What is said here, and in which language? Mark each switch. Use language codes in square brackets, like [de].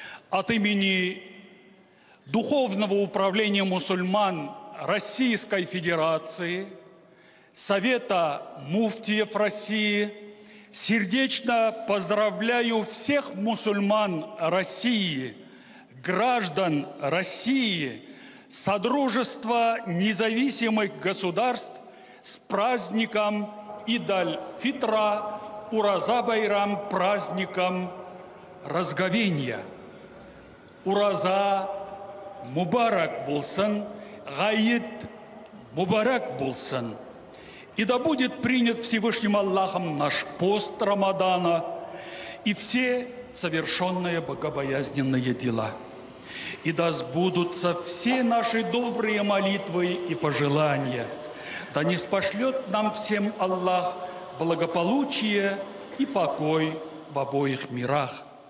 [ru] От имени Духовного управления мусульман Российской Федерации, Совета муфтиев России, сердечно поздравляю всех мусульман России, граждан России, Содружества независимых государств с праздником Идаль-Фитра, Ураза-Байрам, праздником Разговения. [tt] Ураза мубарак булсын, гайет мубарак булсын. [ru] И да будет принят Всевышним Аллахом наш пост Рамадана и все совершенные богобоязненные дела. И да сбудутся все наши добрые молитвы и пожелания. Да ниспошлет нам всем Аллах благополучие и покой в обоих мирах.